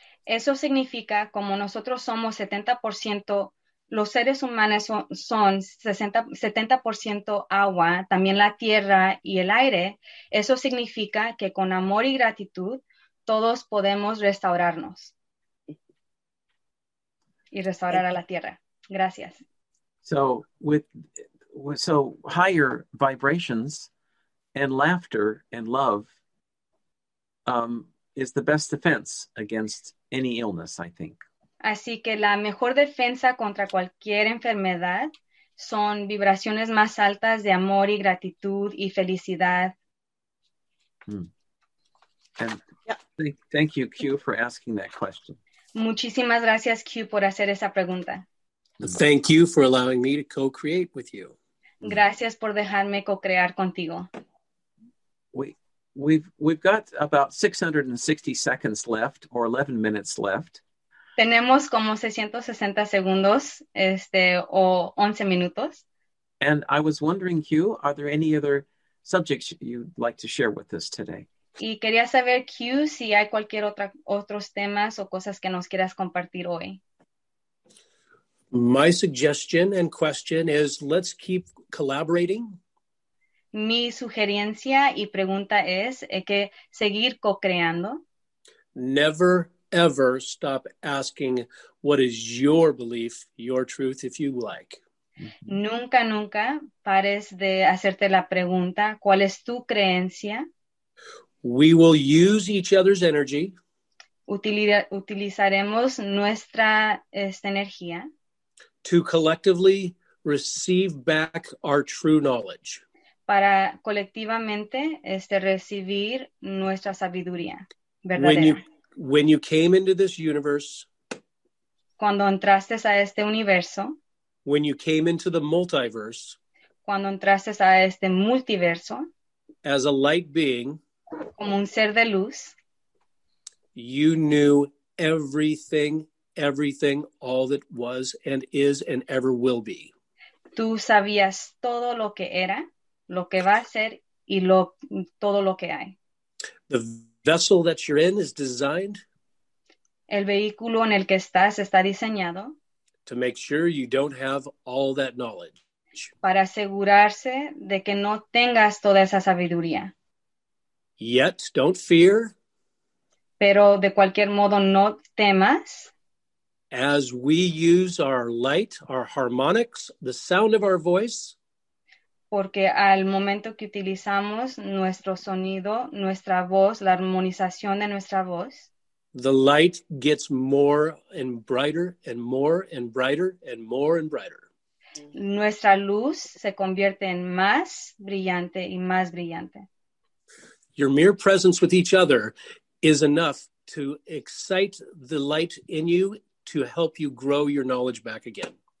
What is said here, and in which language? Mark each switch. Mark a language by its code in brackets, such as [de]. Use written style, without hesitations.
[es] Eso significa, como nosotros somos 70%, los seres humanos son 70% agua, también la tierra y el aire. Eso significa que con amor y gratitud, todos podemos restaurarnos. Y restaurar a la tierra. Gracias. [en] So higher vibrations and laughter and love is the best defense against any illness, I think. [es] Así que la mejor defensa contra cualquier enfermedad son vibraciones más altas de amor y gratitud y felicidad. [en] Thank you, Q, for asking that question. [es] Muchísimas gracias, Q, por hacer esa pregunta. [en] Thank you for allowing me to co-create with you. [es] Gracias por dejarme co-crear contigo. [en] We've got about 660 seconds left, or 11 minutes left. [es] Tenemos como 660 segundos, o 11 minutos. [en] And I was wondering, Q, are there any other subjects you'd like to share with us today? [es] Y quería saber, Q, si hay cualquier otros temas o cosas que nos quieras compartir hoy. [en] My suggestion and question is, let's keep collaborating. [es] Mi sugerencia y pregunta es que seguir co-creando. [en] Never, ever stop asking what is your belief, your truth, if you like. [es] Nunca, nunca pares de hacerte la pregunta, ¿cuál es tu creencia? [en] We will use each other's energy. [es] Utilizaremos nuestra energía. [en] To collectively receive back our true knowledge. [es] Para colectivamente recibir nuestra sabiduría verdadera. [en] When you came into this universe. [es] Cuando entraste a este universo. [en] When you came into the multiverse. [es] Cuando entraste a este multiverso. [en] As a light being. [es] Como un ser de luz. [en] You knew everything, everything, all that was and is and ever will be. [es] Tú sabías todo lo que era, lo que va a ser y todo lo que hay. [en] The vessel that you're in is designed. [es] El vehículo en el que estás está diseñado. [en] To make sure you don't have all that knowledge. [es] Para asegurarse de que no tengas toda esa sabiduría. [en] Yet, don't fear. [es] Pero de cualquier modo no temas. [en] As we use our light, our harmonics, the sound of our voice. [es] Porque al momento que utilizamos nuestro sonido, nuestra voz, la armonización de nuestra voz. [en] The light gets more and brighter and more and brighter and more and brighter. [es] Nuestra luz se convierte en más brillante y más brillante. [en] Your mere presence with each other is enough to excite the light in you to help you grow your knowledge back again.